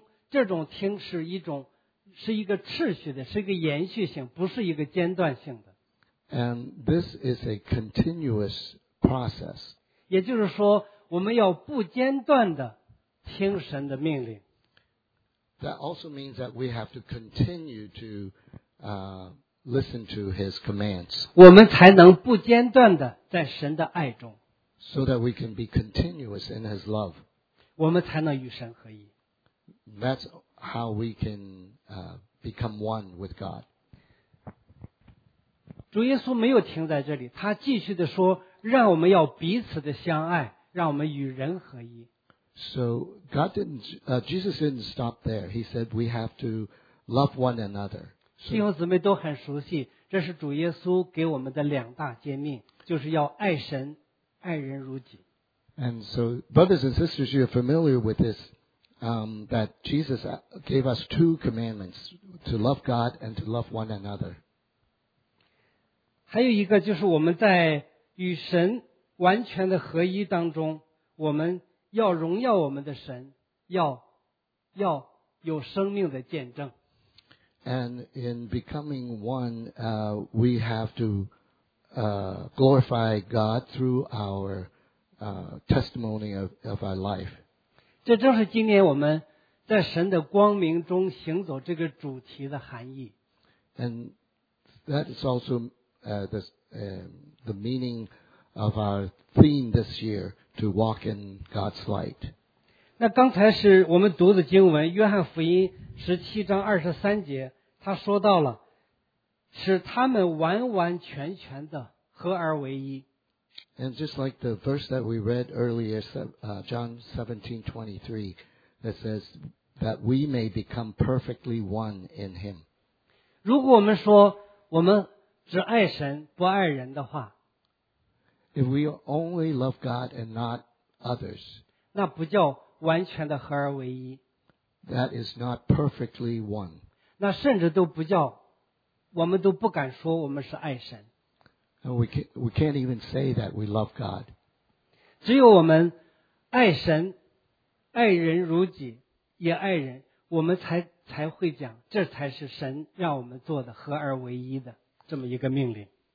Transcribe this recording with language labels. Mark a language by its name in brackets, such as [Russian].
[Chinese] 这种听是一种，是一个秩序的，是一个延续性，不是一个间断性的。 [English] And this is a continuous process. [Chinese] 也就是说，我们要不间断的听神的命令。 [English] That also means that we have to continue to listen to his commands. [Chinese] 我们才能不间断地在神的爱中。 [English] So that we can be continuous in his love. [Chinese] 我们才能与神合一。 [English] That's how we can become one with God. [Chinese] 主耶稣没有停在这里，他继续地说，让我们要彼此的相爱，让我们与人合一。 [English] So God didn't, Jesus didn't stop there. He said we have to love one another. [Chinese] 弟兄姊妹都很熟悉，这是主耶稣给我们的两大诫命，就是要爱神，爱人如己。 [English] And so, brothers and sisters, you are familiar with this, that Jesus gave us two commandments, to love God and to love one another. [Chinese] 还有一个就是我们在与神完全的合一当中，我们要荣耀我们的神，要有生命的见证。 [English] And in becoming one, we have to glorify God through our testimony of our life. [Chinese] 这正是今年我们在神的光明中行走这个主题的含义。 [English] And that is also the meaning of our theme this year, to walk in God's light. [Chinese] 那刚才是我们读的经文，约翰福音十七章二十三节。他说到了，使他们完完全全的合而为一。 [English] And just like the verse that we read earlier, John 17:23, that says that we may become perfectly one in Him. [Chinese] 如果我们说我们只爱神不爱人的话 [English] ，If we only love God and not others, [Chinese] 那不叫完全的合而为一。 [English] That is not perfectly one. [Chinese] 那甚至都不叫，我们都不敢说我们是爱神。 [English] And we can't even say that we love God. [Chinese] 只有我们爱神，爱人如己，也爱人，我们才会讲，这才是神让我们做的合而为一的这么一个命令。